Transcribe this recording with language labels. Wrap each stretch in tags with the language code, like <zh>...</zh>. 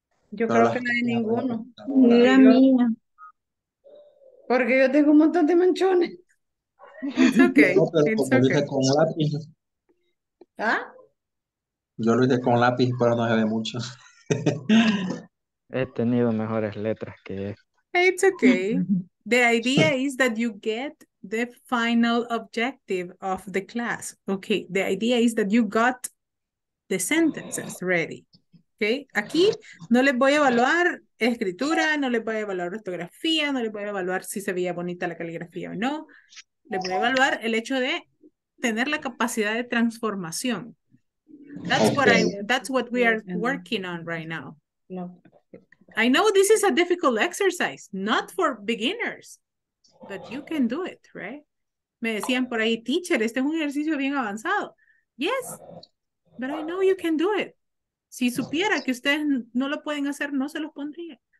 <es>Yo no creo que no hay ninguno. Mira mía. Porque yo tengo un montón de manchones.</es> <en>It's okay. No,</en> <es>pero</es> <en>it's</en> <es>como okay. Dije con lápiz. ¿Ah? Yo lo hice con lápiz, pero no se ve mucho. He tenido mejores letras que</es> <en>It's okay. The idea is that you get the final objective of the class. Okay, the idea is that you got the sentences ready.</en> <es>Okay, aquí no les voy a evaluar escritura, no les voy a evaluar ortografía, no les voy a evaluar si se veía bonita la caligrafía o no. Les voy a evaluar el hecho de tener la capacidad de transformación.</es> <en>That's okay. That's what we are working on right now. No. I know this is a difficult exercise, not for beginners, but you can do it, right?</en> <es>Me decían por ahí, teacher, este es un ejercicio bien avanzado.</es> <en>Yes, but I know you can do it.</en> <es>Si supiera que ustedes no lo pueden hacer, no se los pondría.</es>